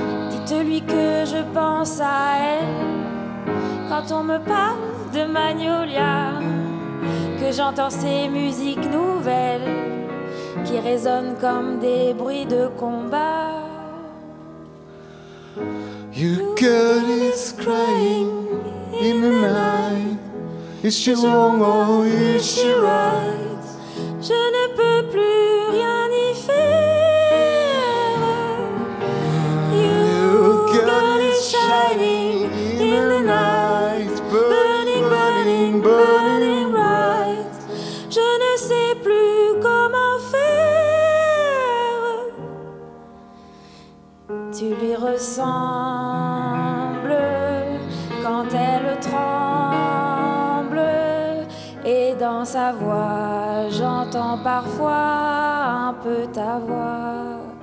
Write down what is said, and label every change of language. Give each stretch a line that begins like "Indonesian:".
French: Dites-lui que je pense à elle quand on me parle de Magnolia, que j'entends ces musiques nouvelles qui résonnent comme des bruits de combat.
English: Your girl is crying in the night. Is she wrong or is she right?
French: Je ne peux plus rien y faire.
English: Your girl is shining in the night, burning, burning, burning bright.
French: Je ne sais plus comment faire. ressemble quand elle tremble, et dans sa voix j'entends parfois un peu ta voix.